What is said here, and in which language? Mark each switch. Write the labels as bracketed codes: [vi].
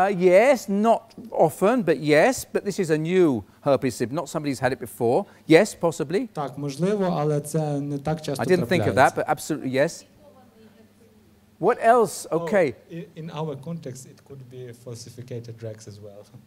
[en] Yes, not often, but yes, but this is a new herpes, not somebody's had it before. Yes, possibly. [uk] Так, можливо, але це не так часто трапляється. [en] I didn't think of that, but absolutely yes. What else? Okay. Oh, in our context it could be falsified drugs as well.